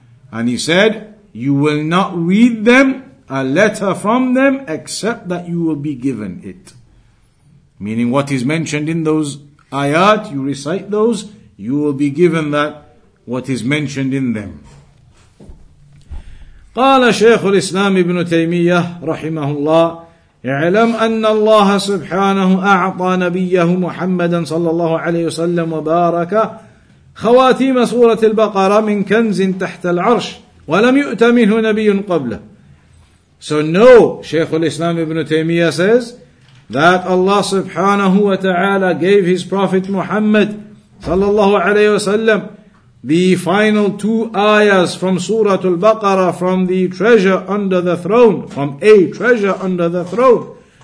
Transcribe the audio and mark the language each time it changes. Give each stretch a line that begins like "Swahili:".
English: And he said, you will not read them, a letter from them, except that you will be given it. Meaning what is mentioned in those ayat, you recite those, you will be given that, what is mentioned in them.
Arabic: قال شيخ الإسلام ابن تيمية رحمه الله اعلم أن الله سبحانه أعطى نبيه محمدا صلى الله عليه وسلم وبارك خواتيم سورة البقرة من كنز تحت العرش ولم يؤت منه نبي قبله.
English: So no, شيخ الإسلام ابن تيمية says that Allah سبحانه وتعالى gave his prophet Muhammad صلى الله عليه وسلم the final two ayahs from Surah Al-Baqarah, from the treasure under the throne, from a treasure under the throne.